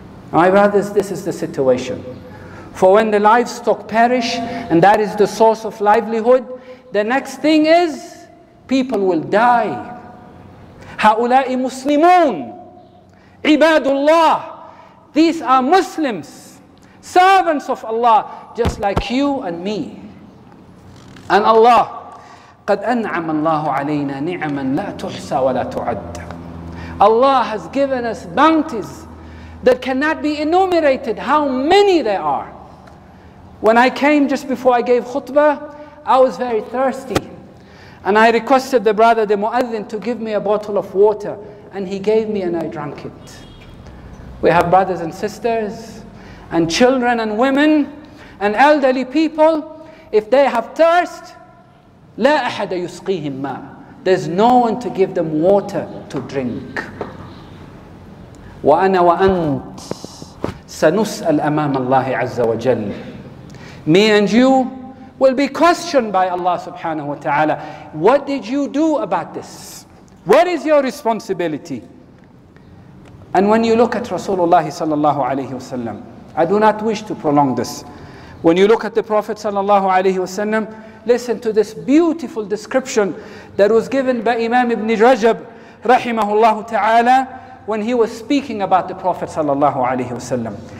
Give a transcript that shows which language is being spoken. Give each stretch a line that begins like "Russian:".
English: My brothers, this is the situation. For when the livestock perish, and that is the source of livelihood, the next thing is, people will die.
Arabic: هؤلاء مسلمون عباد الله.
English: These are Muslims, servants of Allah, just like you and me. And Allah,
Arabic: قد أنعم الله علينا نعما لا تحصى ولا تعد.
English: Allah has given us bounties that cannot be enumerated, how many they are. When I came just before I gave khutbah, I was very thirsty. And I requested the brother, the muadhin, to give me a bottle of water. And he gave me and I drank it. We have brothers and sisters, and children and women, and elderly people. If they have thirst,
Arabic: لا أحد يسقيهم ما.
English: There's no one to give them water to drink.
Arabic: وأنا وأنت سنسأل أمام الله عز وجل.
English: Me and you will be questioned by Allah subhanahu wa ta'ala. What did you do about this? What is your responsibility? And when you look at Rasulullah sallallahu alayhi wa sallam, I do not wish to prolong this. When you look at the Prophet sallallahu alayhi wa sallam, listen to this beautiful description that was given by Imam Ibn Rajab rahimahullah ta'ala, when he was speaking about the Prophet sallallahu alayhi wa sallam.